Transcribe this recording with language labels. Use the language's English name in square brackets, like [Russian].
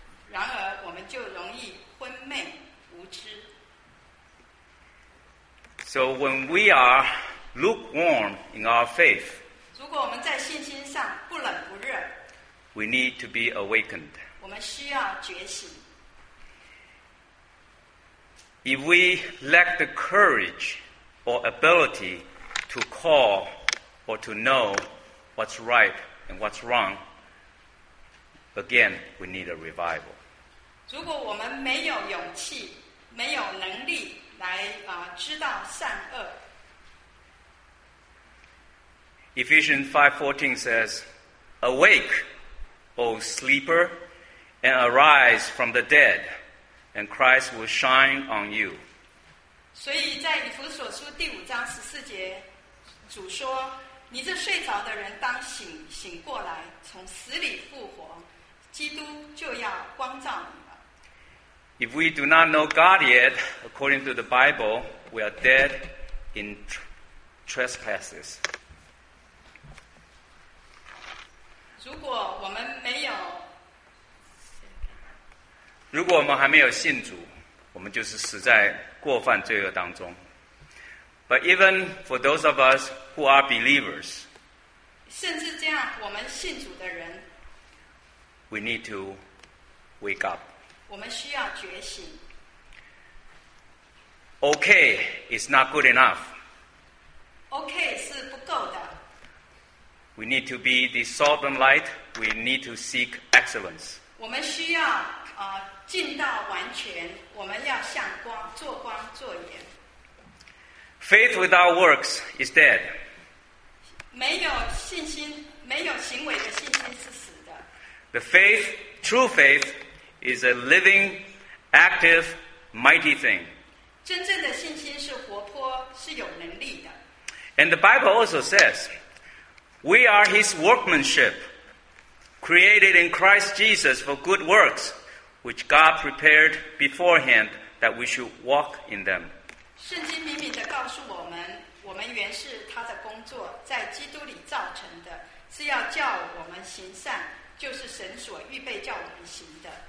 [Chinese] 然而，我们就容易昏昧无知。 [English] So when we are lukewarm in our faith, [Chinese] 如果我们在信心上不冷不热 [English] we need to be awakened. [Chinese] 我们需要觉醒。 [English] If we lack the courage or ability to call or to know what's right and what's wrong, again, we need a revival. [Chinese] 如果我们没有勇气，没有能力来知道善恶。 [English] Ephesians 5:14 says, Awake, O sleeper,And arise from the dead, and Christ will shine on you. [Chinese] 所以在以弗所书第五章十四节，主说：“你这睡着的人，当醒过来，从死里复活，基督就要光照你了。” [English] If we do not know God yet, according to the Bible, we are dead in trespasses. [Chinese] 如果我们没有如果我们还没有信主，我们就是死在过犯罪恶当中。 [English] But even for those of us who are believers, [Chinese] 甚至这样，我们信主的人 [English] ，we need to wake up. [Chinese] 我们需要觉醒。 [English] Okay, it's not good enough. [Chinese] Okay 是不够的。 [English] We need to be the salt and light. We need to seek excellence. [Chinese] 我们需要尽到完全，我们要向光做光做盐。 [English] Faith without works is dead. [Chinese] 没有信心，没有行为的信心是死的。 [English] The faith, true faith, is a living, active, mighty thing. [Chinese] 真正的信心是活泼，是有能力的。 [English] And the Bible also says, We are His workmanship, created in Christ Jesus for good works, which God prepared beforehand that we should walk in them. [Chinese] 圣经明明地告诉我们，我们原是他的工作，在基督里造成的，是要叫我们行善，就是神所预备叫我们行的。